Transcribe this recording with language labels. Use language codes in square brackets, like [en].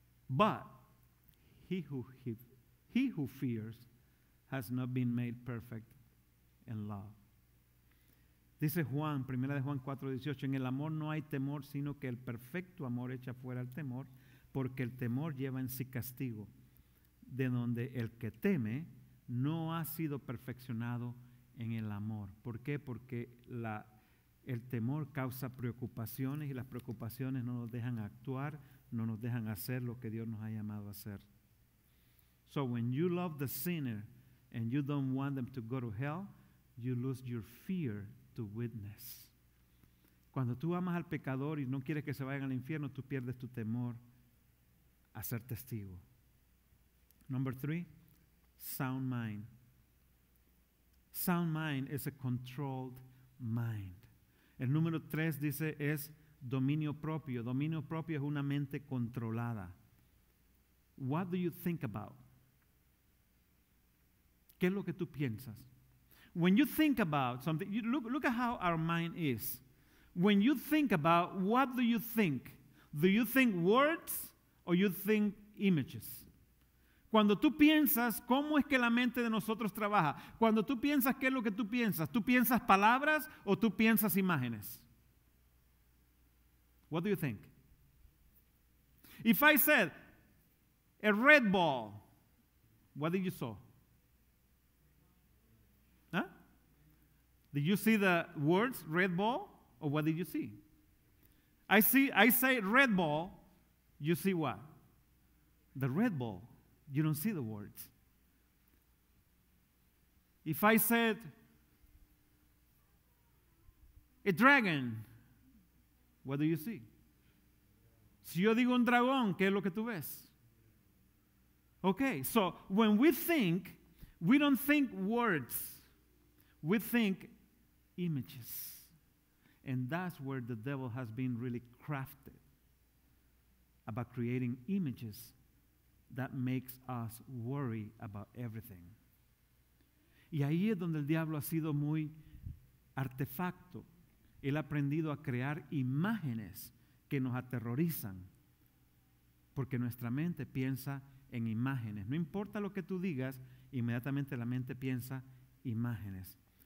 [en] But he who fears has not been made perfect in love. [es] Dice Juan, 1 Juan 4, 18, en el amor no hay temor, sino que el perfecto amor echa fuera el temor, porque el temor lleva en sí castigo, de donde el que teme no ha sido perfeccionado en el amor. ¿Por qué? Porque el temor causa preocupaciones y las preocupaciones no nos dejan actuar, no nos dejan hacer lo que Dios nos ha llamado a hacer. [en] So when you love the sinner and you don't want them to go to hell, you lose your fear to witness. [es] Cuando tú amas al pecador y no quieres que se vayan al infierno, tú pierdes tu temor a ser testigo. [en] Number three, sound mind. Sound mind is a controlled mind. [es] El número tres dice es dominio propio. Dominio propio es una mente controlada. [en] What do you think about? [es] ¿Qué es lo que tú piensas? [en] When you think about something, look at how our mind is. When you think about, what do you think? Do you think words or you think images? [es] Cuando tú piensas, ¿cómo es que la mente de nosotros trabaja? Cuando tú piensas, ¿qué es lo que tú piensas? ¿Tú piensas palabras o tú piensas imágenes? [en] What do you think? If I said, a red ball, what did you saw? Did you see the words red ball or what did you see? I say red ball, you see what? The red ball. You don't see the words. If I said a dragon, what do you see? [es] Si yo digo un dragón, ¿qué es lo que tú ves? [en] Okay, so when we think, we don't think words. We think images. And that's where the devil has been really crafted, about creating images that makes us worry about everything. [es] Y ahí es donde el diablo ha sido muy artefacto. Él ha aprendido a crear imágenes que nos aterrorizan, porque nuestra mente piensa en imágenes. No importa lo que tú digas, inmediatamente la mente piensa imágenes.